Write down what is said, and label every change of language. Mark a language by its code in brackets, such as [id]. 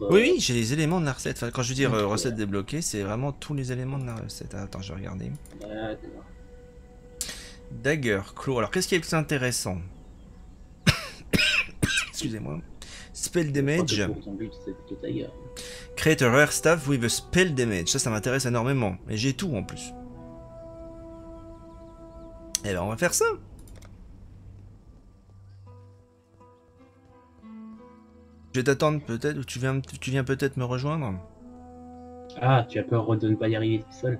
[fr] Oui, j'ai les éléments de la recette. Enfin, quand je veux dire recette débloquée, c'est vraiment tous les éléments de la recette. Ah, attends, je vais regarder. D'accord. Dagger, clou. Alors, qu'est-ce qui est le plus intéressant? Excusez-moi. Spell damage. Pour ton but, c'est plutôt Dagger. [en] Create a rare staff with a spell damage. [fr] Ça m'intéresse énormément. Et j'ai tout en plus. Et ben on va faire ça. Je vais t'attendre peut-être ou tu viens peut-être me rejoindre. Ah, tu as peur de ne pas y arriver tout seul.